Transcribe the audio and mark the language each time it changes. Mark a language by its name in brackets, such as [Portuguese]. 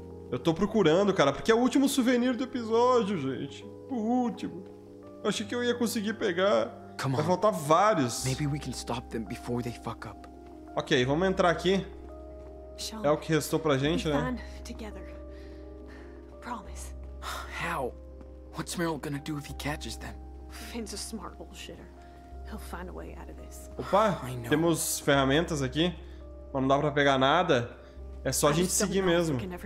[Portuguese] Eu tô procurando, cara, porque é o último souvenir do episódio, gente. O último. Eu achei que eu ia conseguir pegar. [English] Come [Portuguese] vai [English] on. [Portuguese] Faltar vários. [English] Maybe we can stop them before they fuck up. [Portuguese] Ok, vamos entrar aqui. Sean, é o que restou pra gente, né? [English] Together. Promise. How? What's Meryl gonna do if he catches them? Finn's a smart bullshitter. He'll find a way out of this. [Portuguese] Opa, temos ferramentas aqui. Mas não dá pra pegar nada. É só a gente seguir mesmo.